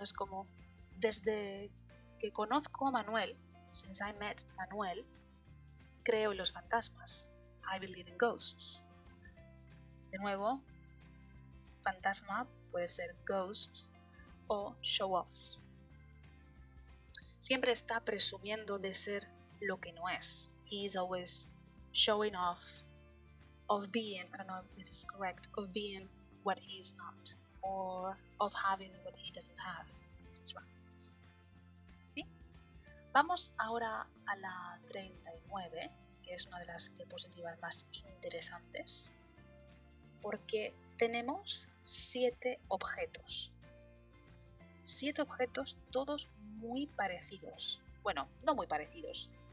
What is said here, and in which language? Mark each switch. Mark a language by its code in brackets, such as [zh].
[es] Es como: desde que conozco a Manuel, [en] since I met Manuel, [es] creo en los fantasmas. [en] I believe in ghosts. [es] De nuevo, fantasma puede ser ghosts o show-offs. Siempre está presumiendo de ser lo que no es. [en] He is always showing off of being, I don't know if this is correct, of being what he is not, or of having what he doesn't have, etc. [es] Vamos ahora a la 39, que es una de las diapositivas más interesantes, porque tenemos 7 objetos. 7 objetos, todos muy parecidos. Bueno, no muy parecidos.